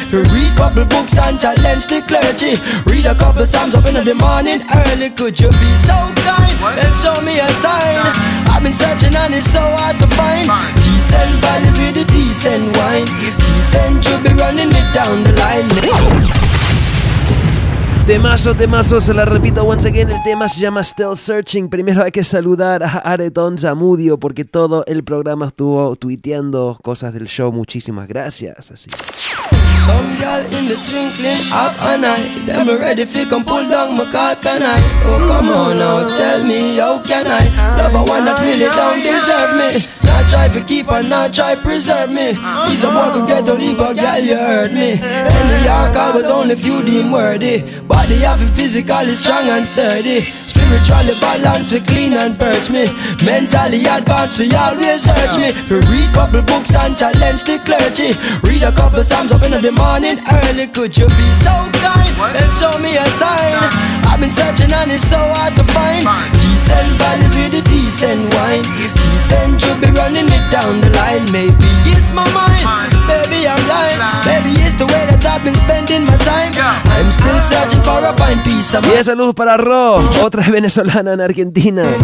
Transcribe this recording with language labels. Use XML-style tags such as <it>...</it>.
<en>We read couple books and challenge the clergy. Read a couple psalms up in the morning early. Could you be so kind and show me a sign? I've been searching and it's so hard to find. Decent values with a decent wine. Decent you'll be running it down the line.</en> <es>Temazo, temazo, se la repito</es> <en>once again,</en> <es>el tema se llama Still Searching. Primero hay que saludar a Aretón Zamudio porque todo el programa estuvo tuiteando cosas del show. Muchísimas gracias. Así.</es> <en>Some girl in the twinkling of an eye. Them ready fi come pull down my car, can I? Oh, come on now, tell me, how can I? Love a one that really don't deserve me. Not try fi keep and not try preserve me. He's a boy who get to leave a girl, you heard me. In New York, I was only few deem worthy. Body have a physically strong and sturdy. Spiritually balanced, we clean and purge me. Mentally advanced, we always search me. We read couple books and challenge the clergy. Read a couple psalms up in the morning early. Could you be so kind and show me a sign? I've been searching and it's so hard to find. Decent valleys with a decent wine. Decent, you'll be running it down the line. Maybe it's my mind, baby I'm lying. Maybe it's the way that I've been spending my time. I'm still searching for a fine piece of mind.</en> <es>Y esa luz para Ro, otra venezolana en Argentina.</es>